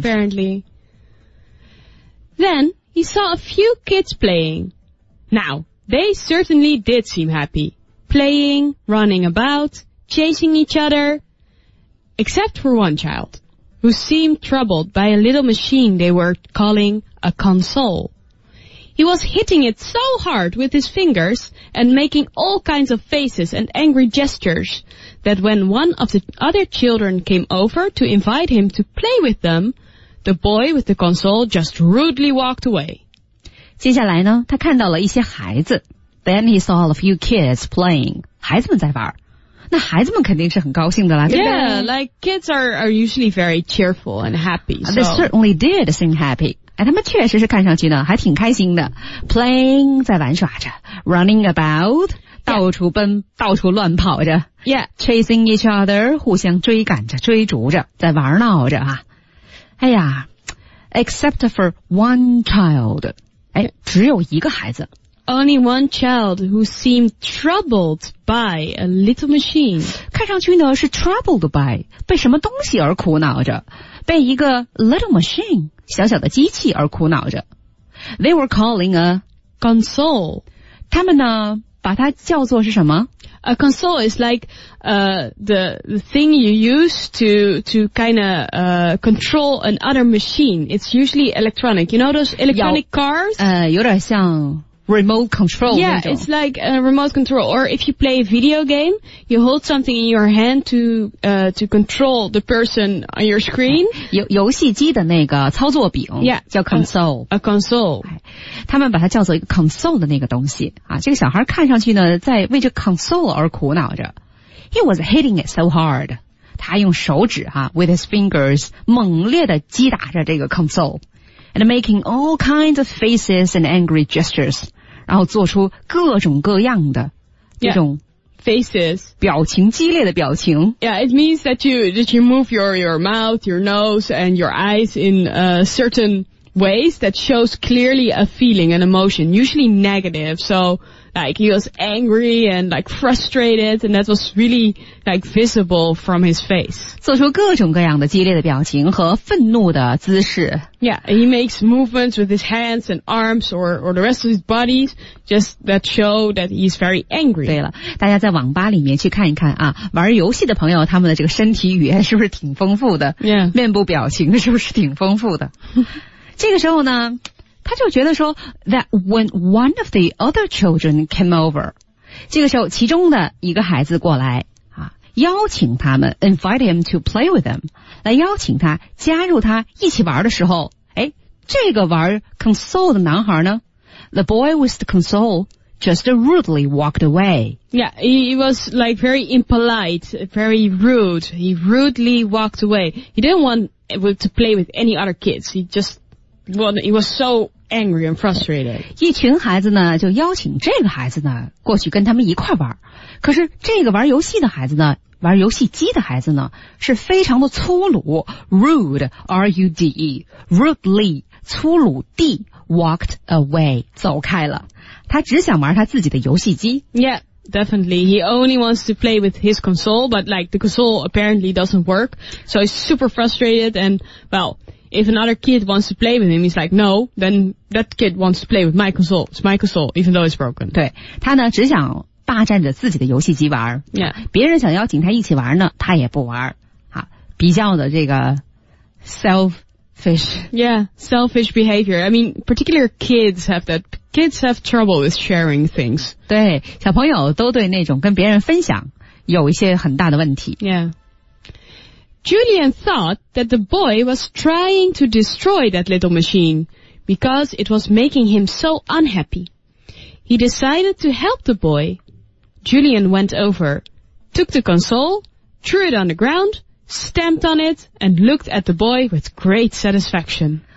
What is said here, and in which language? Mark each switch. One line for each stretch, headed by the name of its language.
English: Apparently Then he saw a few kids playing Now, they certainly did seem happy Playing, running about, chasing each other Except for one childwho seemed troubled by a little machine they were calling a console. He was hitting it so hard with his fingers and making all kinds of faces and angry gestures that when one of the other children came over to invite him to play with them, the boy with the console just rudely walked away.
Chinese: 接下来呢,他看到了一些孩子。
English: Then he saw a few kids playing.
Chinese: 孩子们在玩。那孩子们肯定是很高兴的啦
English: Yeah, like kids are usually very cheerful and happy. So. They certainly did seem happy.
Chinese: 哎，他们确实是看上去呢，还挺开心的。
English: Playing,
Chinese: 在玩耍着。
English: Running about,
Chinese: 到处奔、
English: yeah.
Chinese: 到处乱跑着。
English: Yeah. Chasing each other,
Chinese: 互相追赶着、追逐着、在玩闹着啊。
English: 哎呀 ,except for one child.
Chinese: 哎，只有一个孩子。
English: Only one child who seemed troubled by a little machine. 看上去呢是 troubled by, 被什么东西而苦恼着。被一个 little machine, 小小的机器而苦恼着。 They were calling a console.
Chinese: 他们呢把它叫做是什么
English: ?A console is like, the thing you use to kinda, control another machine. It's usually electronic. You know those electronic cars? 有点像Remote control. Yeah, it's like a remote control. Or if you play a video game, you hold something in your hand to control the person on your screen.
Chinese: 游戏机的那个操作柄
English: yeah,
Chinese: 叫 console.
English: A console.
Chinese: 他们把它叫做一个 console 的那个东西。啊，这个小孩看上去呢，在为这 console 而苦恼着。
English: He was hitting it so hard.
Chinese: 他用手指啊
English: with his fingers,
Chinese: 猛烈地击打着这个 console.
English: And making all kinds of faces and angry gestures.
Chinese: 然后做出各种各样的这种
English: yeah, faces.
Chinese: 表情激烈的表情。
English: Yeah, it means that you move your mouth, your nose, and your eyes in certain ways that shows clearly a feeling, an emotion, usually negative. So, like, he was angry and, like, frustrated, and that was really, like, visible from his face.
Chinese: 做出各种各样的激烈的表情和愤怒的姿势。
English: Yeah, he makes movements with his hands and arms or the rest of his body, just that show that he's very angry.
Chinese: 对了，大家在网吧里面去看一看啊，玩游戏的朋友他们的这个身体语言是不是挺丰富的？
English: Yeah.
Chinese: 面部表情是不是挺丰富的？这个时候呢他就觉得说
English: that when one of the other children came over,
Chinese: 这个时候其中的一个孩子过来啊邀请他们
English: invite him to play with them,
Chinese: 来邀请他加入他一起玩的时候诶这个玩 console 的男孩呢
English: the boy with the console,just rudely walked away. Yeah, he was like very impolite, very rude. He rudely walked away. He didn't want to play with any other kids. He was so angry and frustrated.
Chinese: 一群孩子呢就邀请这个孩子呢过去跟他们一块玩。可是这个玩游戏的孩子呢玩游戏机的孩子呢是非常的粗鲁 rude, R-U-D-E, rudely, 粗鲁地
English: walked away,
Chinese: 走开了。他只想玩他自己的游戏机。
English: Yeah, definitely. He only wants to play with his console, but like the console apparently doesn't work. So he's super frustrated and, well, if another kid wants to play with him, he's like, no, then that kid wants to play with my console. It's my console, even though it's broken.
Chinese: 对，他呢只想霸占着自己的游戏机玩。
English: Yeah.
Chinese: 别人想邀请他一起玩呢，他也不玩。比较的这个 selfish.
English: Yeah, selfish behavior. I mean, particular kids have that. Kids have trouble with sharing things.
Chinese: 对，小朋友都对那种跟别人分享有一些很大的问题。
English: Yeah. Julian thought that the boy was trying to destroy that little machine because it was making him so unhappy. He decided to help the boy. Julian went over, took the console, threw it on the ground,stamped on it and looked at the boy with great satisfaction.